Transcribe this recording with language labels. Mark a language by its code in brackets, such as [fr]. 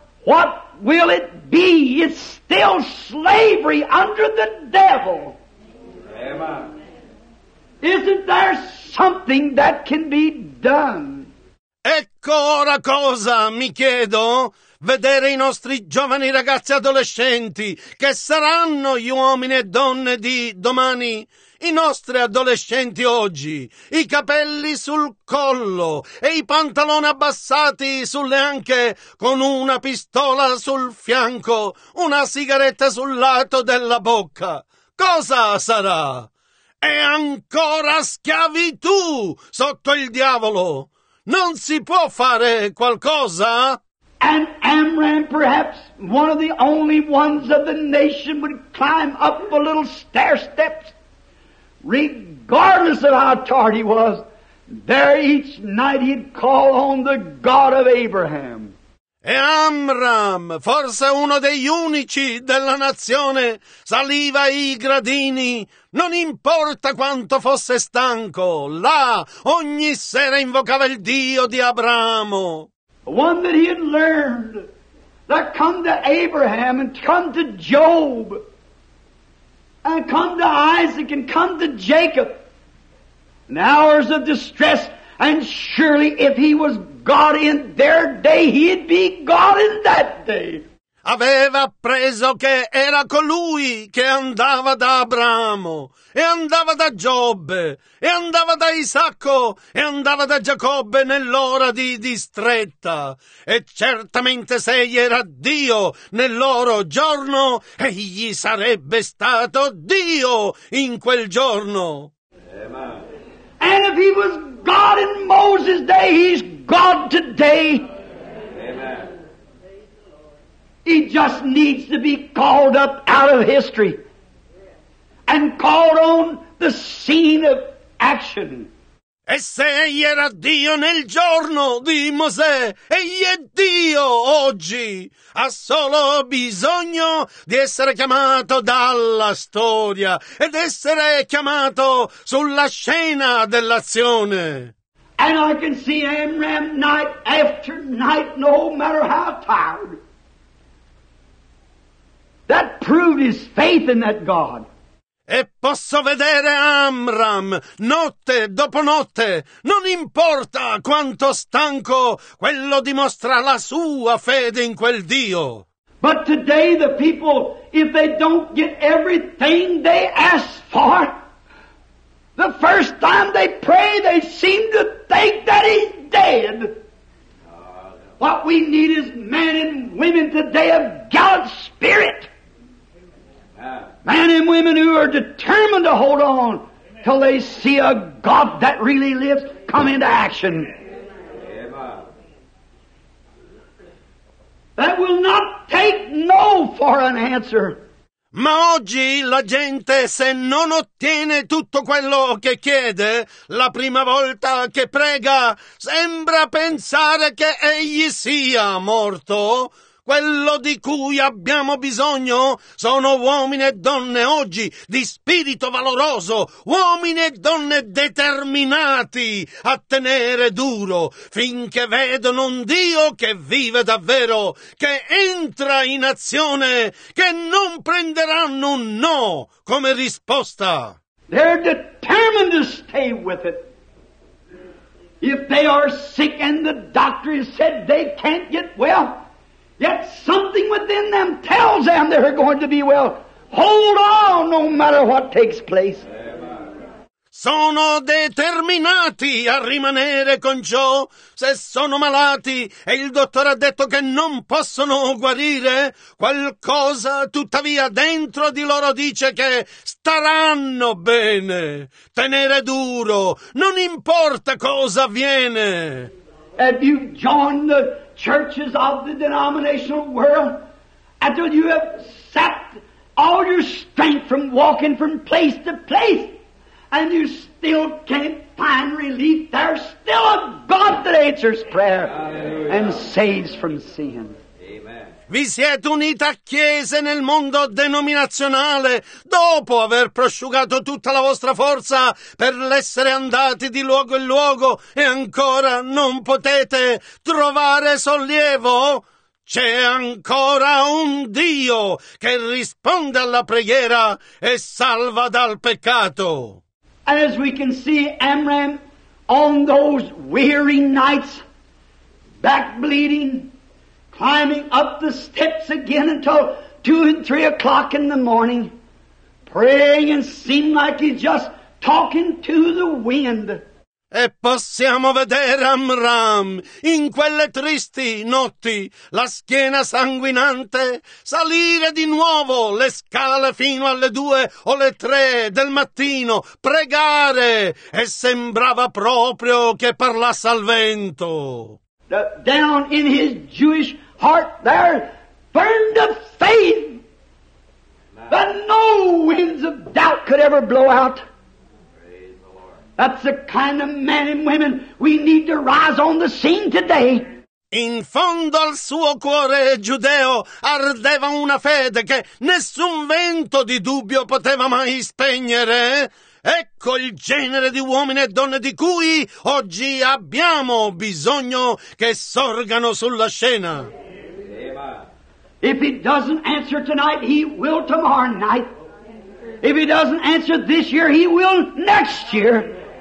[en] What will it be? It's still slavery under the devil. Amen. Isn't there something that can be done? [it] Ecco ora cosa mi chiedo, vedere i nostri giovani ragazzi adolescenti che saranno gli uomini e donne di domani, i nostri adolescenti oggi, i capelli sul collo e i pantaloni abbassati sulle anche con una pistola sul fianco, una sigaretta sul lato della bocca. Cosa sarà? È ancora schiavitù sotto il diavolo. Non si può fare qualcosa? [en] And Amram, perhaps one of the only ones of the nation, would climb up a little stair steps, regardless of how tired he was. There each night he'd call on the God of Abraham. [it] E Amram, forse uno degli unici della nazione, saliva i gradini, non importa quanto fosse stanco, là ogni sera invocava il Dio di Abramo. [en] One that he had learned, that come to Abraham and come to Job, and come to Isaac and come to Jacob, in hours of distress, and surely if he was God in their day, he'd be God in that day. [it] Aveva appreso che era colui che andava da Abramo, e andava da Giobbe, e andava da Isacco, e andava da Giacobbe nell'ora di distretta. E certamente se egli era Dio nel loro giorno, egli sarebbe stato Dio in quel giorno. [en] Amen. And if he was God in Moses' day, he's God today. He just needs to be called up out of history and called on the scene of action. [it] E se egli era Dio nel giorno di Mosè, egli è Dio oggi. Ha solo bisogno di essere chiamato dalla storia ed essere chiamato sulla scena dell'azione. [en] And I can see Amram night after night, no matter how tired. That proved his faith in that God. [it] E posso vedere Amram, notte dopo notte, non importa quanto stanco, quello dimostra la sua fede in quel Dio. [en] But today the people, if they don't get everything they ask for, the first time they pray, they seem to think that he's dead. What we need is men and women today of God's spirit. Men and women who are determined to hold on till they see a God that really lives come into action. That will not take no for an answer. [it] Ma oggi la gente, se non ottiene tutto quello che chiede, la prima volta che prega, sembra pensare che egli sia morto. Quello di cui abbiamo bisogno sono uomini e donne oggi, di spirito valoroso, uomini e donne determinati a tenere duro, finché vedono un Dio che vive davvero, che entra in azione, che non prenderanno un no come risposta. [en] They're determined to stay with it. If they are sick and the doctor has said they can't get well, yet something within them tells them they're going to be well. Hold on, no matter what takes place. [it] Sono determinati a rimanere con ciò. Se sono malati e il dottore ha detto che non possono guarire, qualcosa tuttavia dentro di loro dice che staranno bene. Tenere duro, non importa cosa avviene. [en] Have you joined the churches of the denominational world until you have sapped all your strength from walking from place to place and you still can't find relief? There's still a God that answers prayer and saves from sin. [it] Vi siete unite a chiese nel mondo denominazionale dopo aver prosciugato tutta la vostra forza per essere andati di luogo in luogo e ancora non potete trovare sollievo? C'è ancora un Dio che risponde alla preghiera e salva dal peccato. [en] As we can see Amram on those weary nights, back bleeding, climbing up the steps again until 2 and 3 o'clock in the morning, praying and seemed like he's just talking to the wind. [it] E possiamo vedere Amram in quelle tristi notti, la schiena sanguinante, salire di nuovo le scale fino alle 2 o le 3 del mattino, pregare, e sembrava proprio che parlasse al vento. [en] Down in his Jewish heart there burned a faith that no winds of doubt could ever blow out. That's the kind of men and women we need to rise on the scene today. [it] In fondo al suo cuore giudeo ardeva una fede che nessun vento di dubbio poteva mai spegnere. Ecco il genere di uomini e donne di cui oggi abbiamo bisogno che sorgano sulla scena. [en] If he doesn't answer tonight, he will tomorrow night. If he doesn't answer this year, he will next year.